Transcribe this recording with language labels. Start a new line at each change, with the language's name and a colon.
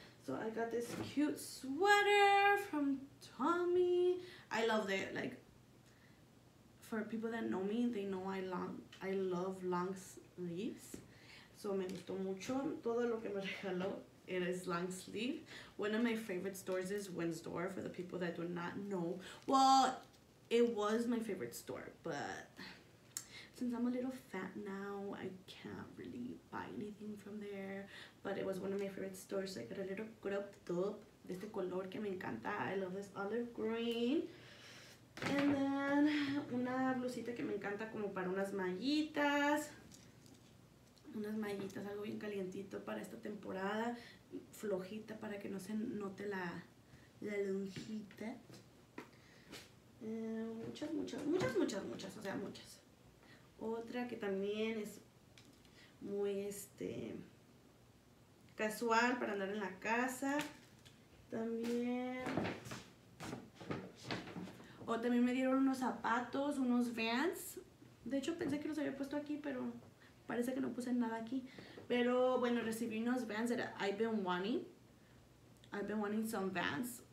English: So I got this cute sweater from Tommy. I love it. Like, for people that know me, they know I love long sleeves.
Spanish: So me gustó mucho todo lo que me regaló.
English: It is long sleeve. One of my favorite stores is Winstor, for the people that do not know. Well, it was my favorite store, but since I'm a little fat now, I can't really buy anything from there. But it was one of my favorite stores. So I got a little crop top
Spanish: de este color que me encanta.
English: I love this olive green. And then
Spanish: una blusita que me encanta como para unas mallitas. Unas mallitas, algo bien calientito para esta temporada, flojita para que no se note la lonjita. Muchas, o sea, muchas. Otra que también es muy casual para andar en la casa. También me dieron unos zapatos, unos Vans. De hecho, pensé que los había puesto aquí, pero parece que no puse nada aquí. Pero bueno, recibí unos
English: Vans that I've been wanting some Vans.